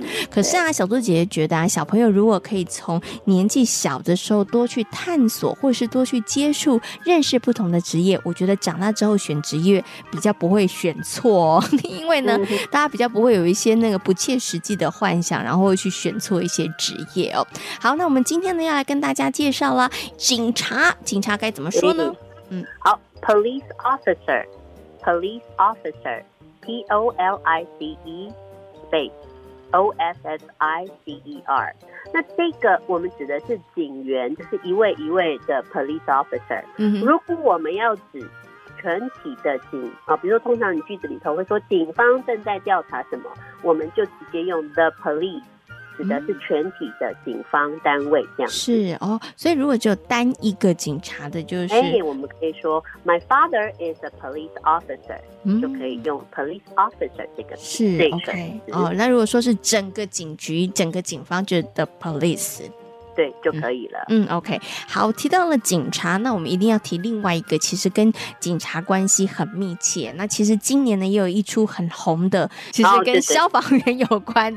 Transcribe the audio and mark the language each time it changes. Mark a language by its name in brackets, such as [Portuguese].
[Chinese] 可是啊，小猪姐姐觉得啊，小朋友如果可以从年纪小的时候多去探索，或是多去接触认识不同的职业，我觉得长大之后选职业比较不会选错哦。因为呢大家比较不会有一些那个不切实际的幻想，然后会去选错一些职业哦。好，那我们今天呢要来跟大家介绍了警察，警察该怎么说呢？ [English] 好 police officer, police officer, police space officer。 [Chinese] 那这个我们指的是警员，就是一位一位的 police officer。如果我们要指全体的警啊，比如说通常你句子里头会说警方正在调查什么，我们就直接用 [English] the police， [Chinese] 指的是全体的警方单位这样子。是哦，所以如果就单一个警察的，就是哎，我们可以说 [English] my father is a police officer， [Chinese] 就可以用 [English] police officer [Chinese] 这个是这个。 OK， 哦，那如果说是整个警局、整个警方，就是 [English] the police。 [Chinese] 对就可以了。 OK， 好，提到了警察，那我们一定要提另外一个其实跟警察关系很密切，那其实今年呢也有一出很红的，其实跟消防员有关，